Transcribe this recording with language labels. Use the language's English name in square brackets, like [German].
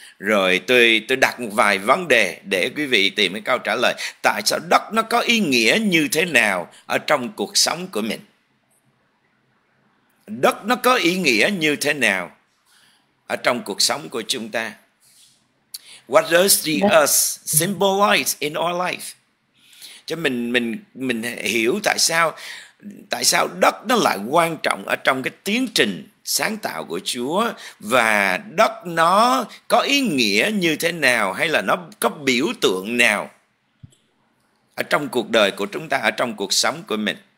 [Vietnamese] Rồi tôi đặt một vài vấn đề để quý vị tìm cái câu trả lời. Tại sao đất nó có ý nghĩa như thế nào ở trong cuộc sống của mình? Đất nó có ý nghĩa như thế nào ở trong cuộc sống của chúng ta? [English] What does the earth symbolize in our life? [Vietnamese] Cho mình hiểu tại sao đất nó lại quan trọng ở trong cái tiến trình sáng tạo của Chúa, và đất nó có ý nghĩa như thế nào, hay là nó có biểu tượng nào ở trong cuộc đời của chúng ta, ở trong cuộc sống của mình.